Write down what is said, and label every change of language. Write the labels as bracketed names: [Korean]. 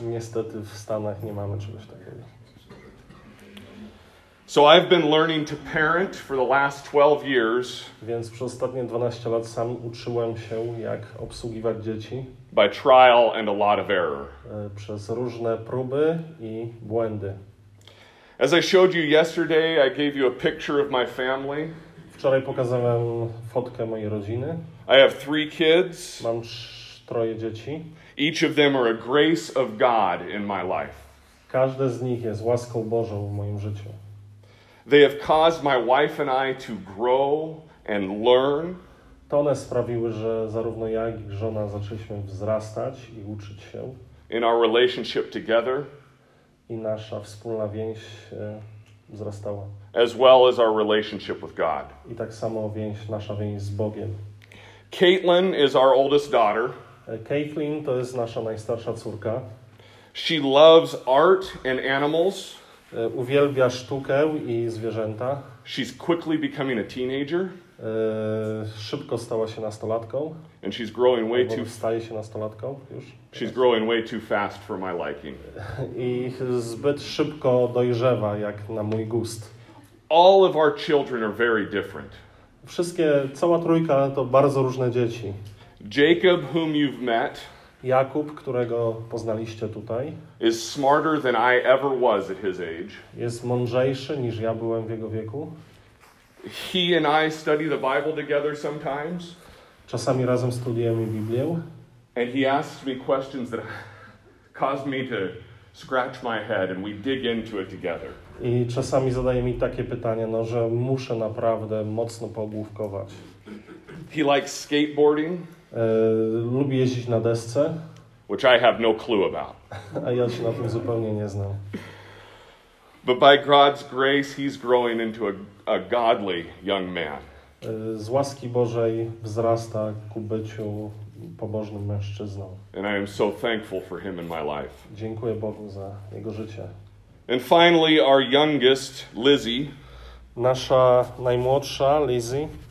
[Polish] Niestety w Stanach nie mamy czegoś takiego. [English] So I've been learning to parent for the last 12 years. [Polish] Więc przez ostatnie 12 lat sam uczyłem się, jak obsługiwać dzieci. [English] By trial and a lot of error. [Polish] Przez różne próby i błędy. [English] As I showed you yesterday, I gave you a picture of my family. [Polish] Wczoraj pokazałem fotkę mojej rodziny. [English] I have three kids. [Polish] Mam troje dzieci. [English] Each of them are a grace of God in my life. [Polish] Każde z nich jest łaską Bożą w moim życiu. [English] They have caused my wife and I to grow and learn. [Polish] To one sprawiły, że zarówno ja, jak i żona zaczęliśmy wzrastać i uczyć się. [English] In our relationship together. [Polish] I nasza wspólna więź wzrastała. [English] As well as our relationship with God. [Polish] I tak samo nasza więź z Bogiem. [English] Caitlin is our oldest daughter. [Polish] Caitlin to jest nasza najstarsza córka. [English] She loves art and animals. [Polish] Uwielbia sztukę i zwierzęta. [English] She's quickly becoming a teenager. [Polish] Szybko stała się nastolatką. [English] And she's growing way too. [Polish] Staje się nastolatką już. [English] She's growing way too fast for my liking. [Polish] I zbyt szybko dojrzewa jak na mój gust. [English] All of our children are very different. [Polish] Wszystkie, cała trójka to bardzo różne dzieci. [English] Jacob, whom you've met, [Polish] Jakub, którego poznaliście tutaj, [English] is smarter than I ever was at his age. [Polish] Jest mądrzejszy niż ja byłem w jego wieku. [English] He and I study the Bible together sometimes. [Polish] Czasami razem studiujemy Biblię. [English] And he asks me questions that caused me to scratch my head, and we dig into it together. [Polish] I czasami zadaje mi takie pytanie, no, że muszę naprawdę mocno poogłówkować. [English] He likes skateboarding. [Polish] Lubi jeździć na desce. [English] Which I have no clue about. [Polish] A ja się na tym zupełnie nie znam. [English] But by God's grace, he's growing into a godly young man. [Polish] Z łaski Bożej wzrasta ku byciu pobożnym mężczyzną. [English] And I am so thankful for him in my life. [Polish] Dziękuję Bogu za jego życie. [English] And finally, our youngest, Lizzie. [Polish] Nasza najmłodsza, Lizzie.